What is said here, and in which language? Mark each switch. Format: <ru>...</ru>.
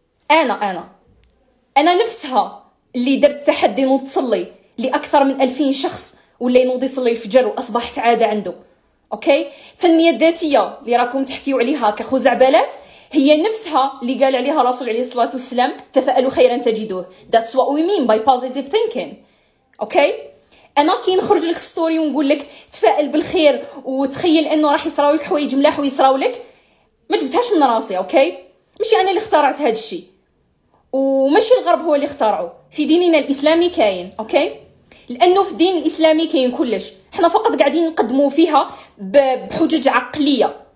<ar>انا نفسها اللي درت تحدي نتصلي لاكثر من 2000 شخص واللي نوض يصلي الفجر واصبحت عاده عنده. اوكي التنميه الذاتيه اللي راكم تحكيوا عليها كخزعبلات هي نفسها اللي قال عليها رسول عليه الصلاه والسلام تفائلوا خيرا تجدوه.</ar> <en>That's what we mean by positive thinking.</en> <ar>اوكي انا كي نخرج لك في ستوري ونقول لك تفائل بالخير وتخيل انه راح يصراو لك حوايج ملاح ويصراو لك، ما جبتهاش من راسي. اوكي ماشي انا اللي اخترعت هذا الشيء، وماشي الغرب هو اللي اخترعه، في ديننا الاسلامي كاين. اوكي لانه في الدين الاسلامي كاين كلش، احنا فقط قاعدين نقدموا فيها بحجج عقليه.</ar>